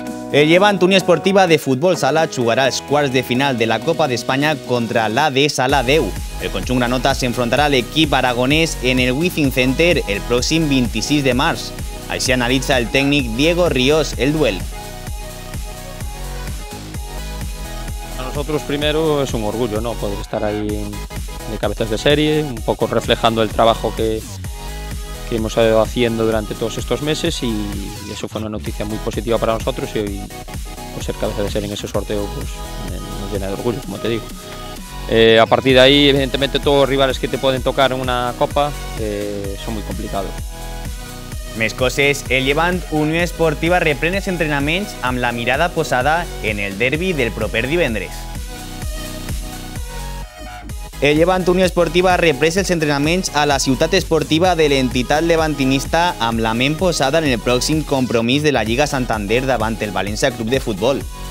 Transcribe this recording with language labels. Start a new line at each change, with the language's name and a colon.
Catalan: El Llevant Unió Esportiva de Futbol Sala jugarà els quarts de final de la Copa d'Espanya contra l'AD Sala 10. El conjunt granota s'enfrontarà a l'equip aragonès en el Wizzing Center el pròxim 26 de març. Així analitza el tècnic Diego Ríos el duel.
Spanish: Nosotros primero es un orgullo, ¿no? Poder estar ahí de cabezas de serie, un poco reflejando el trabajo que, que hemos ido haciendo durante todos estos meses, y eso fue una noticia muy positiva para nosotros, y hoy pues ser cabeza de serie en ese sorteo pues nos llena de orgullo, como te digo. A partir de ahí, evidentemente, todos los rivales que te pueden tocar en una copa son muy complicados.
Catalan: Mescoses, el Levant Unió Esportiva reprèn els entrenaments amb la mirada posada en el derbi del proper divendres. El Levant Unió Esportiva reprèn els entrenaments a la ciutat esportiva de l'entitat levantinista amb la ment posada en el pròxim compromís de la Lliga Santander davant el València Club de Futbol.